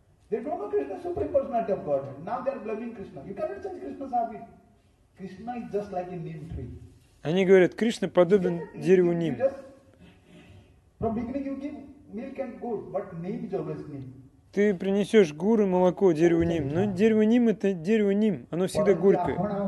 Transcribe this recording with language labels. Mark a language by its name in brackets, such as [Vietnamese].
[English] They don't know Krishna is the Supreme Personality of God. Now they are blaming Krishna. You cannot change Krishna's habit. Krishna is just like a neem tree. [Russian] Они говорят, Кришна подобен дереву ним. [English] From beginning you give milk and gur, but neem is always neem. [Russian] Ты принесешь гуру, молоко, дерево ним. Но дерево ним – это дерево ним. Оно всегда горькое.